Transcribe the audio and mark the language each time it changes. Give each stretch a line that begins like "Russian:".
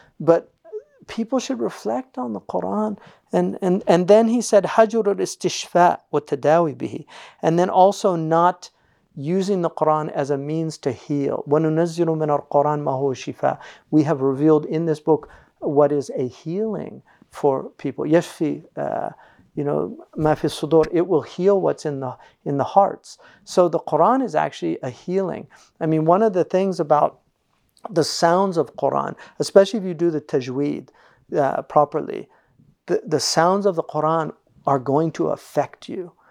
English: But people should reflect on the Quran. And then he said,
Arabic: حَجُرُ الْإِسْتِشْفَاءِ وَتَدَاوِي بِهِ.
English: And then also not using the Quran as a means to heal.
Arabic: وَنُنَزِّلُ مِنَ الْقُرْآنِ مَا هُوَ شِفَاءِ.
English: We have revealed in this book what is a healing for people.
Arabic: يَشْفِي,
English: you know,
Arabic: مَا فِي الصُّدُورِ.
English: It will heal what's in the hearts. So the Quran is actually a healing. I mean, one of the things about the sounds of Quran, especially if you do the tajweed properly, the sounds of the Quran are going to affect you.